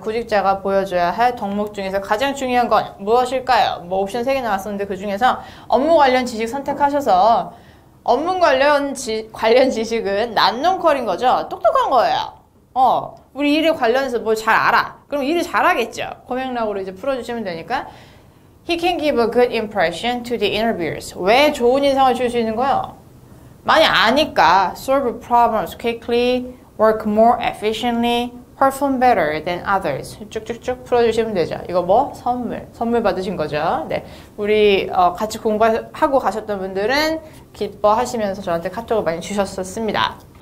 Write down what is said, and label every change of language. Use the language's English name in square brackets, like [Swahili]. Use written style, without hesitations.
[Korean] 구직자가 보여줘야 할 덕목 중에서 가장 중요한 건 무엇일까요? 뭐 옵션 3개 나왔었는데 그 중에서 업무 관련 지식 선택하셔서, 업무 관련 지식은 난농퀄인 거죠. 똑똑한 거예요. 우리 일에 관련해서 뭘잘 알아. 그럼 일을 잘하겠죠. 공약락으로 이제 풀어주시면 되니까. [English] He can give a good impression to the interviewers. [Korean] 왜 좋은 인상을 줄수 있는 거예요? 많이 아니까, [English] solve problems quickly, work more efficiently, perform better than others. [Korean] 쭉쭉쭉 풀어주시면 되죠. 이거 뭐? 선물. 선물 받으신 거죠. 네. 우리, 같이 공부하고 가셨던 분들은 기뻐하시면서 저한테 카톡을 많이 주셨었습니다.